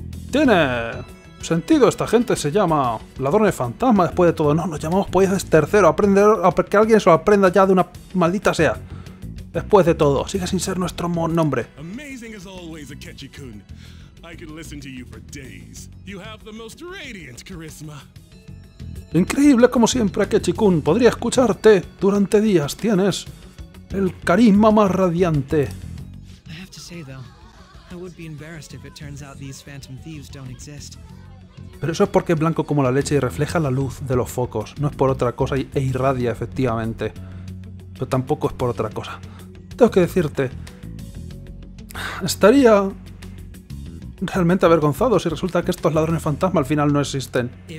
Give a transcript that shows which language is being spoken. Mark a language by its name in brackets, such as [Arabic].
[Spanish] Tiene sentido, esta gente se llama ladrones fantasma después de todo. No, nos llamamos policías tercero, que alguien se lo aprenda ya de una maldita sea. Después de todo, sigue sin ser nuestro nombre. [English] Amazing as always, Akechi-kun. I could listen to you for days. You have the most radiant charisma. [Spanish] Increíble como siempre, Akechi-kun. Podría escucharte durante días. Tienes el carisma más radiante. [English] I have to say, though, I would be embarrassed if it turns out these phantom thieves don't exist. [Spanish] Pero eso es porque es blanco como la leche y refleja la luz de los focos. No es por otra cosa e irradia, efectivamente. Pero tampoco es por otra cosa. Tengo que decirte... Estaría... realmente avergonzado si resulta que estos ladrones fantasma al final no existen.